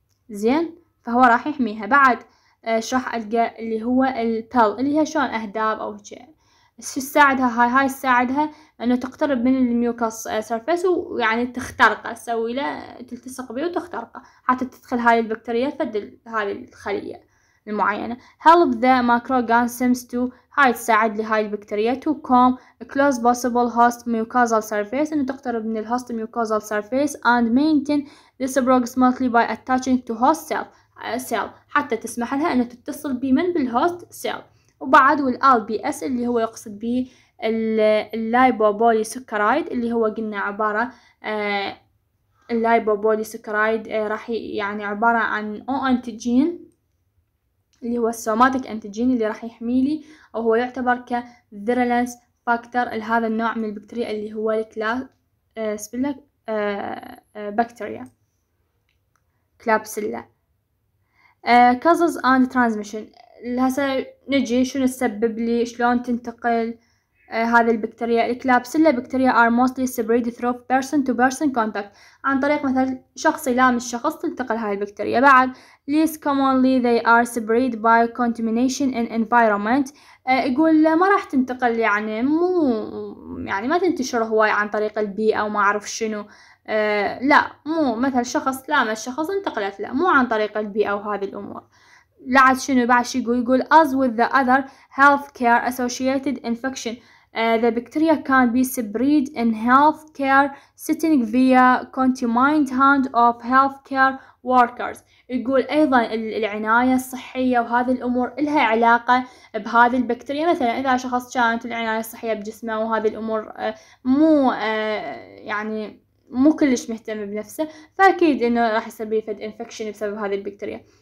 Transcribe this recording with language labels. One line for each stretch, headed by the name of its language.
Arabic: زين، فهو راح يحميها. بعد شرح ألقى اللي هو البل، اللي هي شلون أهداب أو شيء. شو تساعدها هاي تساعدها انه تقترب من الميوكوس سيرفيس، ويعني تخترقه، تسوي له تلتصق به وتخترقه حتى تدخل هاي البكتيريا فد هذه الخليه المعينه.
English: help the microorganisms to
Arabic: هاي تساعد لهاي البكتيريا
English: to come close possible host mucosal surface،
Arabic: انه تقترب من الهوست
English: mucosal surface and maintain this approximately by attaching to host cell،
Arabic: حتى تسمح لها انه تتصل بمن بالهوست
English: cell.
Arabic: وبعد والال بي اس اللي هو يقصد به اللايبوبولي سكرايد، اللي هو قلنا عبارة اللايبوبولي سكرايد راح يعني عبارة عن او انتجين اللي هو السوماتيك انتجين اللي راح يحميلي، او هو يعتبر كفيرولنس فاكتور لهذا النوع من البكتيريا اللي هو الكلاس بكتيريا كلابسيلا.
English: causes and transmission,
Arabic: هسه نجي شو نسبب لي شلون تنتقل هذه البكتيريا. الكلابسيلا بكتيريا
English: are mostly spread through person to person contact,
Arabic: عن طريق مثلا شخص يلامس شخص تنتقل هاي البكتيريا. بعد
English: less commonly they are spread by contamination in environment,
Arabic: يقول ما راح تنتقل يعني مو يعني ما تنتشر هواي عن طريق البيئه وما اعرف شنو. لا، مو مثلا شخص لامس شخص انتقلت، لا مو عن طريق البيئه وهذه الامور. لعد شنو بعد شي يقول
English: as with the other healthcare associated infection the bacteria can be spread in healthcare setting via contaminated hand of healthcare workers.
Arabic: يقول ايضا العناية الصحية وهذه الامور لها علاقة بهذه البكتيريا. مثلا اذا شخص كانت العناية الصحية بجسمه وهذه الامور مو يعني مو كلش مهتم بنفسه، فاكيد انه راح يسبب فد انفكشن بسبب هذه البكتيريا.